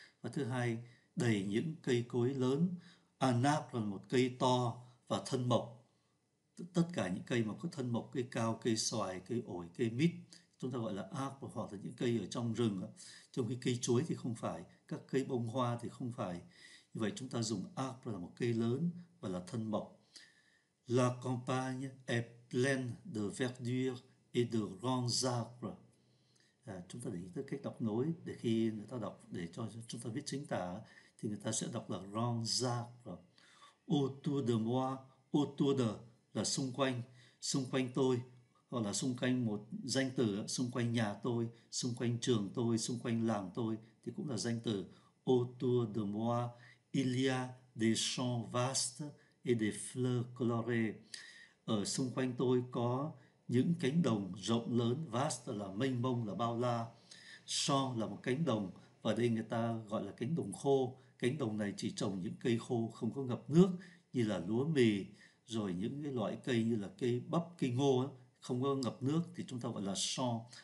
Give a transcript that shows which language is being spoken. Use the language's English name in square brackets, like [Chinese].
[Vietnamese] Và thứ hai, đầy những cây cối lớn. Anap là một cây to và thân mộc. Tất cả những cây mà có thân mộc, cây cao, cây xoài, cây ổi, cây mít, chúng ta gọi là arbre, hoặc là những cây ở trong rừng. Trong khi cây chuối thì không phải, các cây bông hoa thì không phải. Như vậy chúng ta dùng arbre là một cây lớn và là thân mộc. [French] La campagne est pleine de verdure et de grands arbres. [Vietnamese] Chúng ta để ý tới cách đọc nối để khi người ta đọc, để cho chúng ta viết chính tả thì người ta sẽ đọc là rong rạc. [French] Autour de moi, autour de [Vietnamese] là xung quanh tôi, hoặc là xung quanh một danh từ, xung quanh nhà tôi, xung quanh trường tôi, xung quanh làng tôi thì cũng là danh từ. [French] Autour de moi, il y a des champs vastes et des fleurs colorées. [Vietnamese] Ở xung quanh tôi có những cánh đồng rộng lớn, vast là mênh mông, là bao la. Champ là một cánh đồng, và đây người ta gọi là cánh đồng khô, cánh đồng này chỉ trồng những cây khô không có ngập nước như là lúa mì, rồi những cái loại cây như là cây bắp, cây ngô ấy, không có ngập nước thì chúng ta gọi là champ.